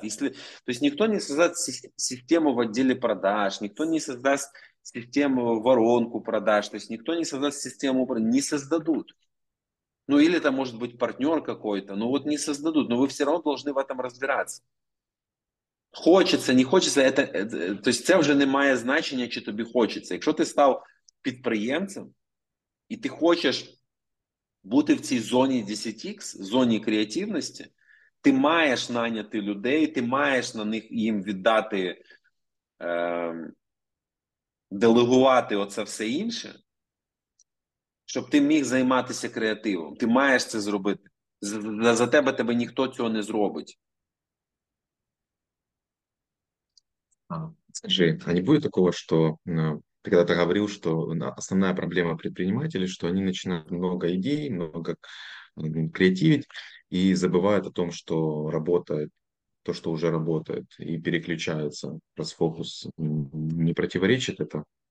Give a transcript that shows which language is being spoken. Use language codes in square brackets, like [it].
[ru] То есть никто не создаст систему в отделе продаж, никто не создаст систему воронку продаж, то есть никто не создаст систему управления, не создадут. Ну или это может быть партнер какой-то, но вот не создадут, но вы все равно должны в этом разбираться. Хочется, не хочется, то есть [uk] це вже не має значення, чи тобі хочеться. Якщо ти став підприємцем, і ти хочеш бути в цій зоні 10X, зоні креативності, ти маєш наняти людей, ти маєш на них їм віддати, делегувати оце все інше. Щоб ти міг займатися креативом, ти маєш це зробити. За тебе ніхто цього не зробить. [ru] Скажи, а не будет такого, что ты когда-то говорил, что основная проблема предпринимателей, что они начинают много идей, много креативить и забывают о том, что работает то, что уже работает, и переключаются, раз фокус не противоречит это?